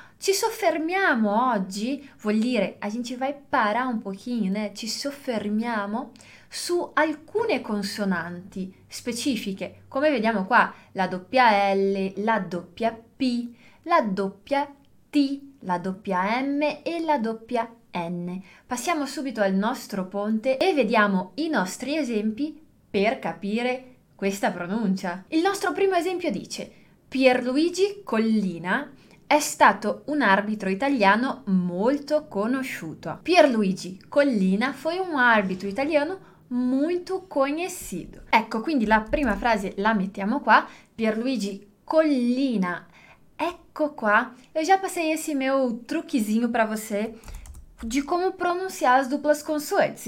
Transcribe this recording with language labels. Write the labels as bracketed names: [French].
[Italian] Ci soffermiamo oggi, vuol dire, [Portuguese] a gente vai parà [Italian] un pochino, ci soffermiamo su alcune consonanti specifiche, come vediamo qua, la doppia L, la doppia P, la doppia T, la doppia M e la doppia N. Passiamo subito al nostro ponte e vediamo i nostri esempi per capire questa pronuncia. Il nostro primo esempio dice Pierluigi Collina. È stato un arbitro italiano molto conosciuto. Pierluigi Collina [Portuguese] foi [Italian] un arbitro italiano molto [Portuguese] conhecido. [Italian] Ecco, quindi la prima frase la mettiamo qua. Pierluigi Collina, ecco qua. [Portuguese] Eu já passei esse meu truquezinho para você de como pronunciar as duplas consoantes.